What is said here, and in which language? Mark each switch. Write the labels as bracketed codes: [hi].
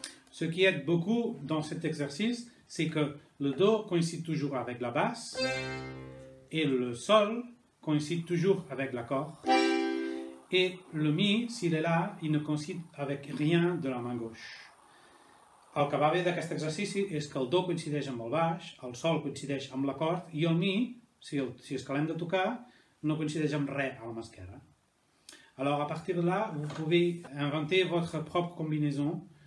[fr] Ce qui aide beaucoup dans cet exercice, c'est que le Do coïncide toujours avec la basse, et le sol coïncide toujours avec l'accord. Et le mi, s'il est là, il ne coïncide avec rien de la main gauche. [ca] El que va bé d'aquest exercici és que el do coincideix amb el baix, el sol coincideix amb l'acord i el mi, si és que l'hem de tocar, no coincideix amb re a la mà esquerra. [fr] Alors, a partir de là, vous pouvez inventer votre propre combinaison.